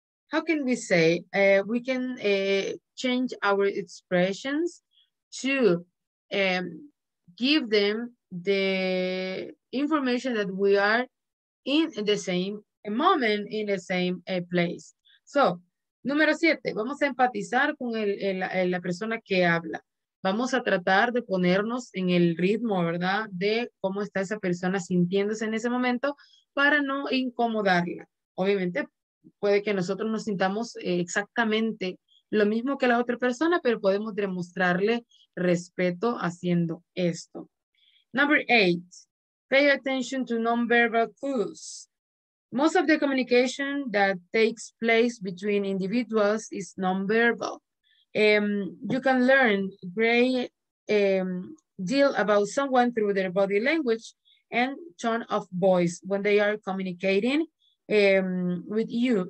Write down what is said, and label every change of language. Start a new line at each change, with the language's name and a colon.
English: how can we say, we can change our expressions to give them the information that we are in the same moment, in the same place.
Spanish: So, número 7, vamos a empatizar con la persona que habla. Vamos a tratar de ponernos en el ritmo, ¿verdad? De cómo está esa persona sintiéndose en ese momento para no incomodarla. Obviamente, puede que nosotros nos sintamos exactamente lo mismo que la otra persona, pero podemos demostrarle respeto haciendo esto.
English: Number 8, pay attention to nonverbal clues. Most of the communication that takes place between individuals is nonverbal. You can learn a great deal about someone through their body language and tone of voice when they are communicating with you.